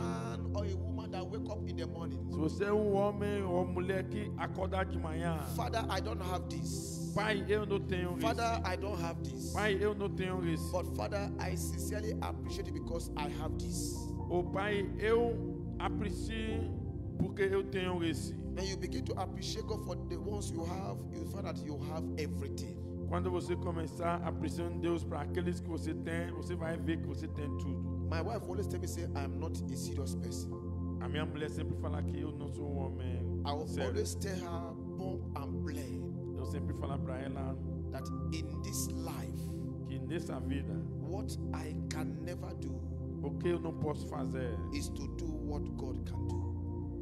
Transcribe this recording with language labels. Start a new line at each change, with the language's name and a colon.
English: Man or a woman that wake up in the morning,
Portuguese: se você é homem ou mulher que acorda de manhã.
English: Father, I don't have this.
Portuguese: Pai, eu não tenho isso.
English: Father, I don't have this.
Portuguese: Pai, eu não tenho isso.
English: But Father, I sincerely appreciate it because I have this.
Portuguese: Oh, Pai, eu aprecio porque eu tenho isso.
English: When you begin to appreciate God for the ones you have, you find that you have everything.
Portuguese: Quando você começar a precisar de Deus para aqueles que você tem, você vai ver que você tem tudo.
English: My wife always tells me, say, I'm not a serious person.
Portuguese: A minha mulher sempre fala que eu não sou um homem.
English: I will
Portuguese: sério.
English: Always tell her, bump and blame.
Portuguese: Eu sempre falo para ela
English: that in this life,
Portuguese: que nessa vida,
English: what I can never do,
Portuguese: o que eu não posso fazer,
English: is to do what God can do.